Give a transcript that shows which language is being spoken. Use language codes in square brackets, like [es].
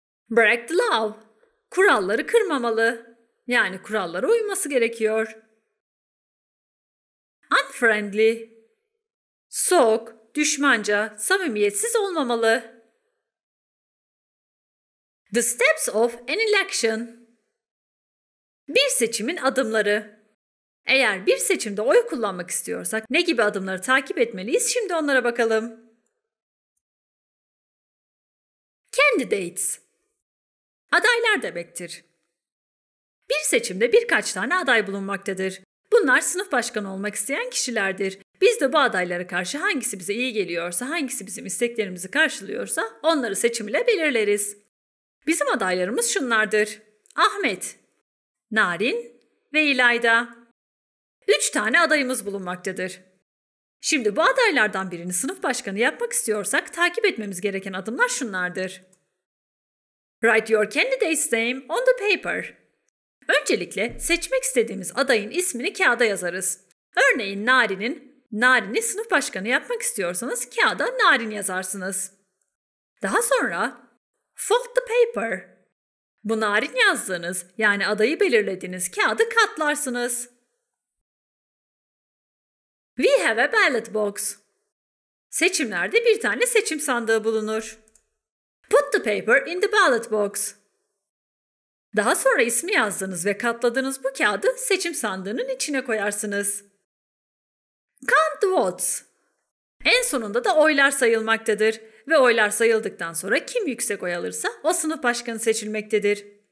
[en] Break the law, [tr] kuralları kırmamalı. Yani kurallara uyması gerekiyor. Unfriendly, soğuk, düşmanca, samimiyetsiz olmamalı. [en] The steps of an election. [tr] Bir seçimin adımları. Eğer bir seçimde oy kullanmak istiyorsak ne gibi adımları takip etmeliyiz? Şimdi onlara bakalım. Candidates. Adaylar demektir. Bir seçimde birkaç tane aday bulunmaktadır. Bunlar sınıf başkanı olmak isteyen kişilerdir. Biz de bu adaylara karşı hangisi bize iyi geliyorsa, hangisi bizim isteklerimizi karşılıyorsa onları seçim ile belirleriz. Bizim adaylarımız şunlardır. Ahmet, Narin ve İlayda. 3 tane adayımız bulunmaktadır. Şimdi bu adaylardan birini sınıf başkanı yapmak istiyorsak takip etmemiz gereken adımlar şunlardır. [en] Write your candidate's name on the paper. [tr] Öncelikle seçmek istediğimiz adayın ismini kağıda yazarız. Örneğin Narin'i sınıf başkanı yapmak istiyorsanız kağıda Narin yazarsınız. Daha sonra [en] fold the paper. [tr] Bu Narin yazdığınız, yani adayı belirlediğiniz kağıdı katlarsınız. [en] We have a ballot box. [tr] Seçimlerde bir tane seçim sandığı bulunur. [en] Put the paper in the ballot box. [tr] Daha sonra ismi yazdığınız ve katladığınız bu kağıdı seçim sandığının içine koyarsınız. [en] Count the votes. [tr] En sonunda da oylar sayılmaktadır. Ve oylar sayıldıktan sonra kim yüksek oy alırsa o sınıf başkanı seçilmektedir.